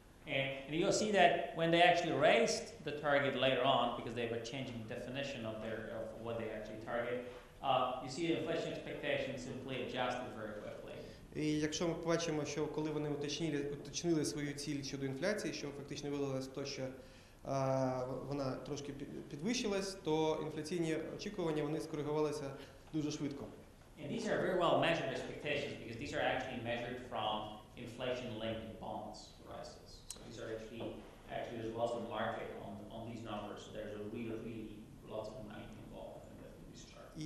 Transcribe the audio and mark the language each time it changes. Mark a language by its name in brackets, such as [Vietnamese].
[English] And you'll see that when they actually raised the target later on, because they were changing the definition of their of what they actually target, you see the inflation expectations simply adjusted very quickly. [Ukrainian] І якщо ми побачимо, що коли вони уточнили свою ціль щодо інфляції, що фактично виявилося то, що вона трошки підвищилась, то інфляційні очікування вони скоригувалися дуже швидко. [English] And these are very well measured expectations because these are actually measured from inflation-linked bonds prices. So these are actually there's lots of market on these numbers. So there's a really lots of money involved in this chart.